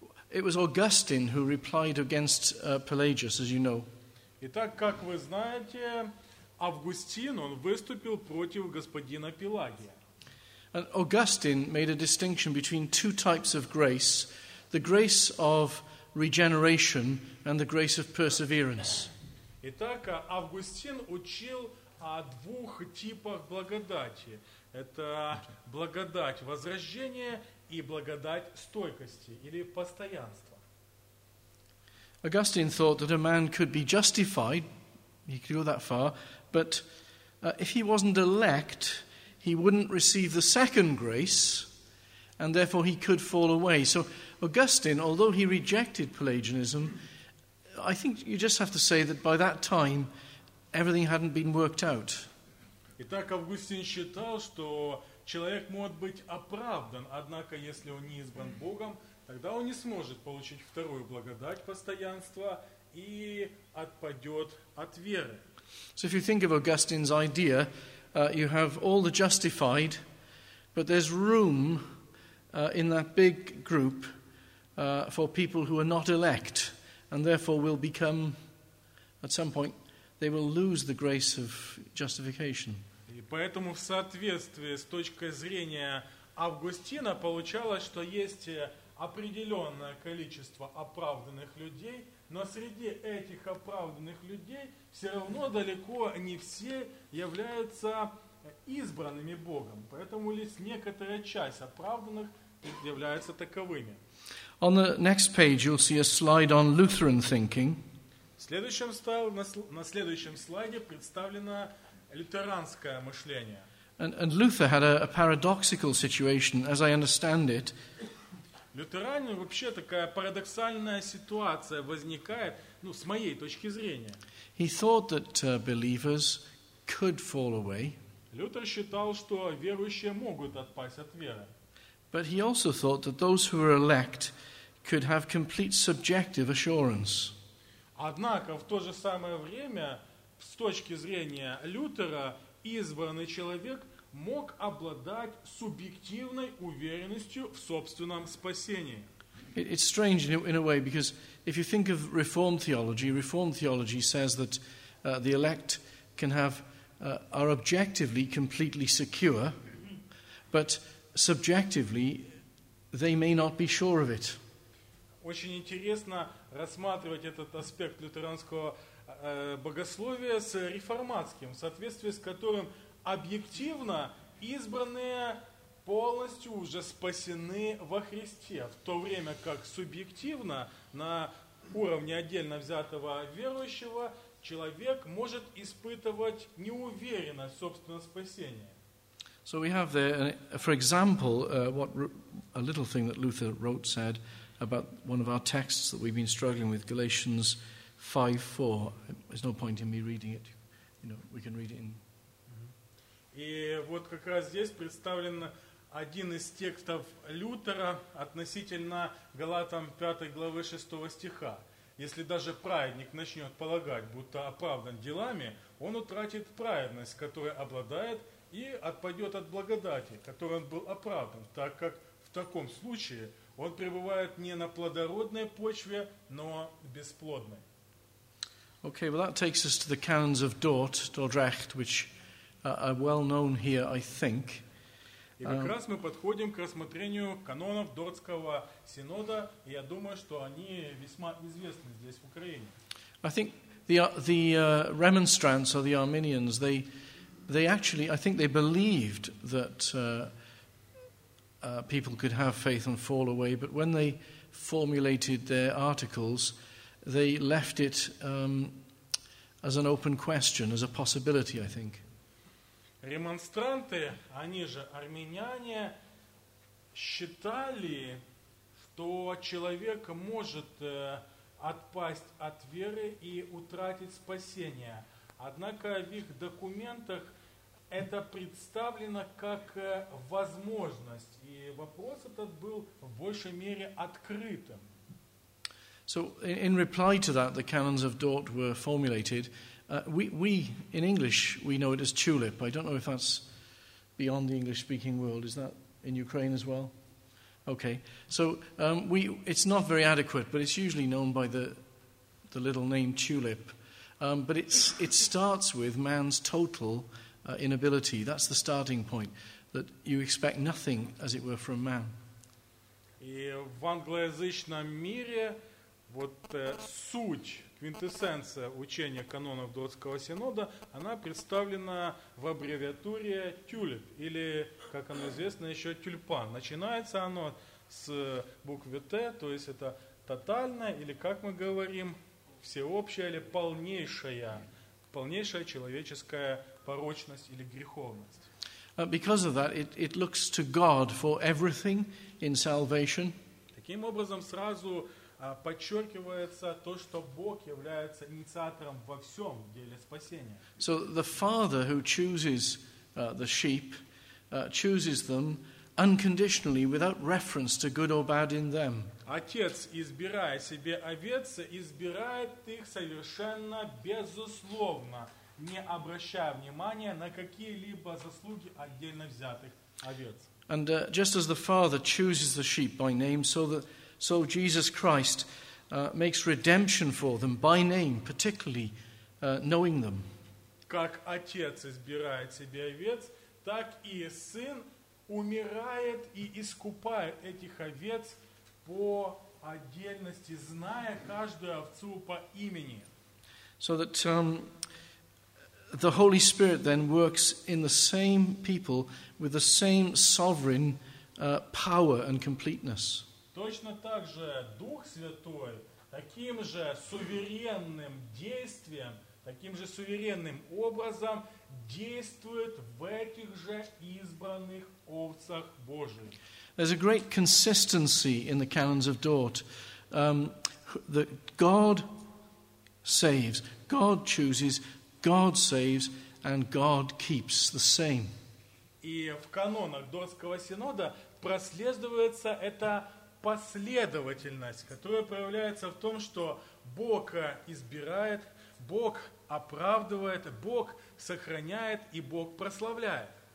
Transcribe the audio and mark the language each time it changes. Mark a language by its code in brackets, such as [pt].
[en] It was Augustine who replied against Pelagius, as you know. [ru] Итак, как вы знаете, Августин, он выступил против господина Пелагия. [en] And Augustine made a distinction between two types of grace: the grace of regeneration and the grace of perseverance. [ru] Итак, Августин учил о двух типах благодати. Это благодать возрождения и благодать стойкости или постоянства. [en] Augustine thought that a man could be justified, he could go that far, but if he wasn't elect, he wouldn't receive the second grace, and therefore he could fall away. So Augustine, although he rejected Pelagianism, I think you just have to say that by that time everything hadn't been worked out. [ru] Итак, Августин считал, что человек может быть оправдан, однако если он не избран Богом, тогда он не сможет получить вторую благодать постоянства и отпадет от веры. [en] So if you think of Augustine's idea, you have all the justified, but there's room in that big group for people who are not elect, and therefore will become, at some point, they will lose the grace of justification. [ru] И поэтому в соответствии с точкой зрения Августина получалось, что есть определенное количество оправданных людей, но среди этих оправданных людей все равно далеко не все являются избранными Богом. Поэтому лишь некоторая часть оправданных является таковыми. [en] On the next page you'll see a slide on Lutheran thinking. [ru] На следующем слайде представлено лютеранское мышление. [en] And Luther had a paradoxical situation, as I understand it. [ru] Лютеране вообще такая парадоксальная ситуация возникает, ну, с моей точки зрения. [en] He thought that believers could fall away. [ru] Лютер считал, что верующие могут отпасть от веры. [en] But he also thought that those who were elect could have complete subjective assurance. [ru] Однако в то же самое время, с точки зрения Лютера, избранный человек мог обладать субъективной уверенностью в собственном спасении. [en] It's strange in a way, because if you think of Reformed theology says that the elect can have are objectively completely secure, but subjectively, they may not be sure of it. [ru] Очень интересно рассматривать этот аспект лютеранского богословия с реформатским, в соответствии с которым объективно избранные полностью уже спасены во Христе, в то время как субъективно на уровне отдельно взятого верующего человек может испытывать неуверенность в собственном спасении. [en] So we have there, for example, what a little thing that Luther wrote said about one of our texts that we've been struggling with, Galatians 5:4. There's no point in me reading it. You know, we can read it in. [ru] И вот как раз здесь представлен один из текстов Лютера относительно Галатам 5 главы 6 стиха. Если даже праведник начнет полагать, будто оправдан делами, он утратит праведность, которой обладает, и отпадет от благодати, которой он был оправдан, так как в таком случае он пребывает не на плодородной почве, но бесплодной. [en] Okay, well that takes us to the canons of Dordrecht, which are well known here, I think. [ru] И как раз мы подходим к рассмотрению канонов Дордского синода, и я думаю, что они весьма известны здесь, в Украине. [en] I think the Remonstrants, or the Arminians, they actually, I think they believed that people could have faith and fall away, but when they formulated their articles, they left it as an open question, as a possibility, I think. [ru] Ремонстранты, они же армяне, считали, что человек может отпасть от веры и утратить спасение. Однако в их документах это представлено как возможность, и вопрос этот был в большей мере открытым. [en] So in reply to that, the canons of Dort were formulated. We in English we know it as tulip. I don't know if that's beyond the English-speaking world. Is that in Ukraine as well? Okay. So it's not very adequate, but it's usually known by the little name tulip. But it starts with man's total inability. That's the starting point. That you expect nothing, as it were, from man. [ru] В англоязычном мире вот суть. Квинтэссенция учения канонов Дордского синода, она представлена в аббревиатуре TULIP, или, как оно известно, еще тюльпан. Начинается оно с буквы Т, то есть это тотальное, или, как мы говорим, всеобщее, или полнейшая человеческая порочность или греховность. [en] Because of that, it looks to God for everything in salvation. [ru] Таким образом, сразу подчеркивается то, что Бог является инициатором во всем деле спасения. [en] So the Father who chooses the sheep chooses them unconditionally, without reference to good or bad in them. [ru] Отец, избирая себе овец, избирает их совершенно безусловно, не обращая внимания на какие-либо заслуги отдельно взятых овец. [en] And just as the Father chooses the sheep by name, so Jesus Christ makes redemption for them by name, particularly knowing them. [ru] Как отец избирает себе овец, так и сын умирает и искупает этих овец по отдельности, зная каждую овцу по имени. [en] So that the Holy Spirit then works in the same people with the same sovereign power and completeness. [ru] Точно так же Дух Святой таким же суверенным действием, таким же суверенным образом действует в этих же избранных овцах Божьих. [en] There's a great consistency in the canons of Dort. That God saves, God chooses, God saves, and God keeps the same. [ru] И в канонах Дортского синода прослеживается это последовательность, которая проявляется в том, что Бог избирает, Бог оправдывает, Бог сохраняет и Бог прославляет.